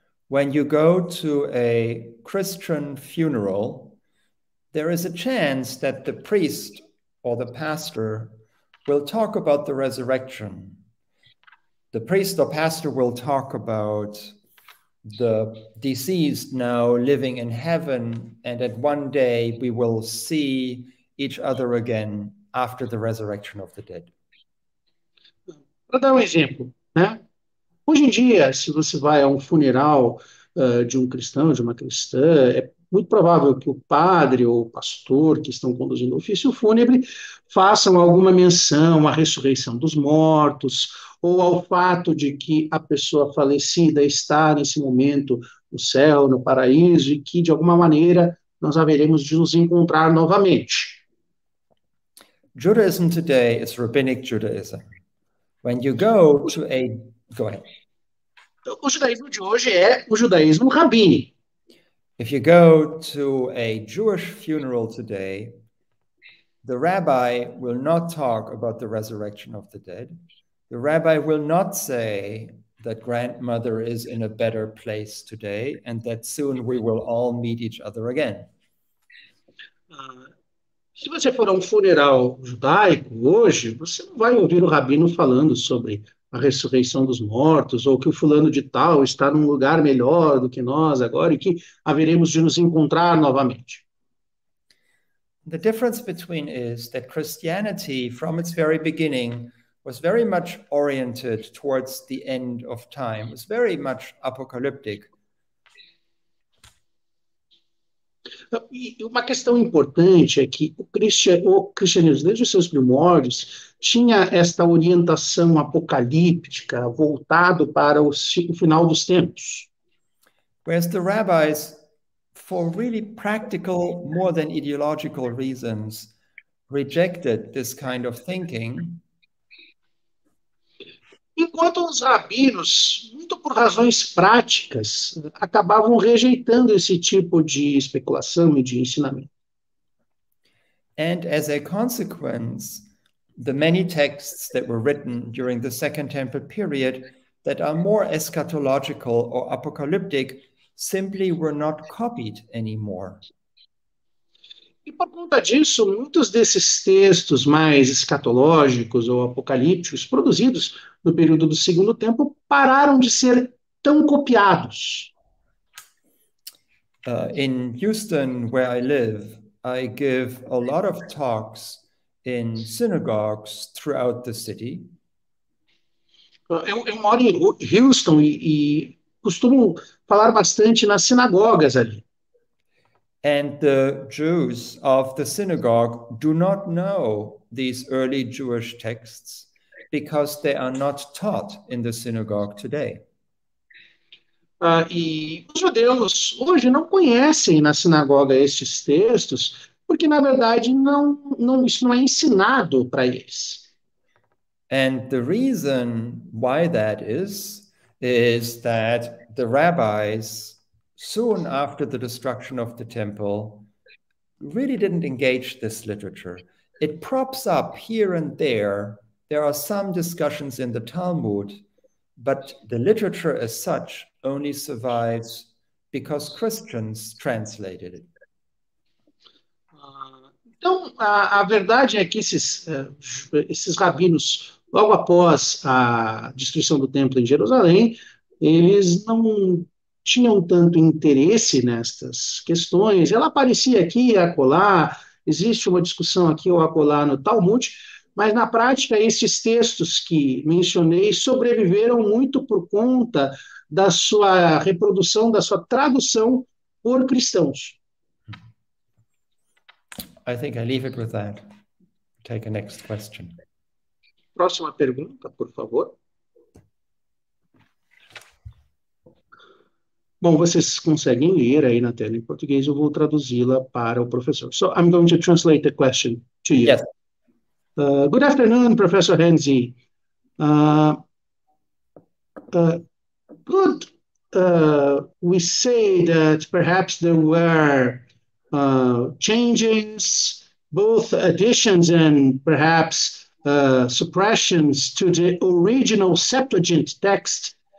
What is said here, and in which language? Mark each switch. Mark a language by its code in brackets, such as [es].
[en] When you go to a Christian funeral, there is a chance that the priest or the pastor will talk about the resurrection. The priest or pastor will talk about the deceased now living in heaven, and at one day we will see each other again after the resurrection of the dead. [pt] Para dar um exemplo, né? Hoje em dia, se você vai a um funeral de um cristão, de uma cristã, é muito provável que o padre ou o pastor que estão conduzindo o ofício fúnebre façam alguma menção à ressurreição dos mortos ou ao fato de que a pessoa falecida está nesse momento no céu, no paraíso, e que de alguma maneira nós haveremos de nos encontrar novamente. [en] Judaism today is rabbinic Judaism. When you go ahead. [pt] O judaísmo de hoje é o judaísmo rabínico. [en] If you go to a Jewish funeral today, the rabbi will not talk about the resurrection of the dead. The rabbi will not say that grandmother is in a better place today and that soon we will all meet each other again. [pt] Se você for a um funeral judaico hoje, você não vai ouvir o rabino falando sobre a ressurreição dos mortos, ou que o fulano de tal está num lugar melhor do que nós agora e que haveremos de nos encontrar novamente. [en] The difference between is that Christianity, from its very beginning, was very much oriented towards the end of time. It's very much apocalyptic. [pt] E uma questão importante é que o cristianismo, desde os seus primórdios, tinha esta orientação apocalíptica voltado para o final dos tempos. [en] Whereas the rabbis, for really practical more than ideological reasons, rejected this kind of thinking. [pt] Enquanto os rabinos, muito por razões práticas, acabavam rejeitando esse tipo de especulação e de ensinamento. [en] And as a consequence, the many texts that were written during the Second Temple period that are more eschatological or apocalyptic simply were not copied anymore. [pt] E por conta disso, muitos desses textos mais escatológicos ou apocalípticos, produzidos no período do Segundo Templo, pararam de ser tão copiados. [en] In Houston, where I live, I give a lot of talks in synagogues throughout the city. [pt] Eu moro em Houston e costumo falar bastante nas sinagogas ali. [en] And the Jews of the synagogue do not know these early Jewish texts because they are not taught in the synagogue today. [pt] E os judeus hoje não conhecem na sinagoga estes textos, porque na verdade isso não é ensinado para eles. [en] And the reason why that is that the rabbis, soon after the destruction of the temple, really didn't engage this literature. It props up here and there. There are some discussions in the Talmud, but the literature as such only survives because Christians translated it. [pt] Então, a verdade é que esses rabinos, logo após a destruição do templo em Jerusalém, eles não tinham tanto interesse nestas questões. Ela aparecia aqui e acolá, existe uma discussão aqui ou acolá no Talmud, mas na prática esses textos que mencionei sobreviveram muito por conta da sua reprodução, da sua tradução por cristãos. [en] I think I leave it with that. Take a next question. [pt] Próxima pergunta, por favor. Bom, vocês conseguem ler aí na tela em português, eu vou traduzi-la para o professor. [en] So, I'm going to translate the question to you. Yes. Good afternoon, Professor Henze. We say that perhaps there were changes, both additions and perhaps suppressions to the original Septuagint text.